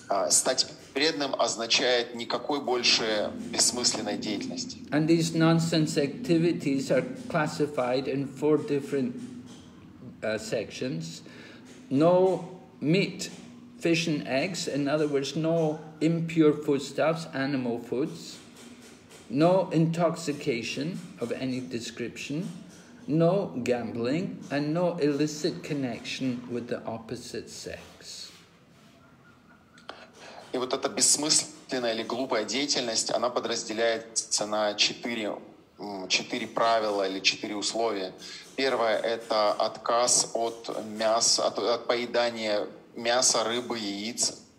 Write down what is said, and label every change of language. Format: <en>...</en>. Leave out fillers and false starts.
<ru>Стать преданным означает никакой больше бессмысленной деятельности.</ru> <en>And these nonsense activities are classified in four different sections. No meat, fish and eggs, in other words, no impure foodstuffs, animal foods. No intoxication of any description. No gambling and no illicit connection with the opposite sex.</en> <ru>И вот эта бессмысленная или глупая деятельность, она подразделяется на четыре правила или четыре условия. Первое — это отказ от мяса, от поедания мяса, рыбы, яиц.</ru>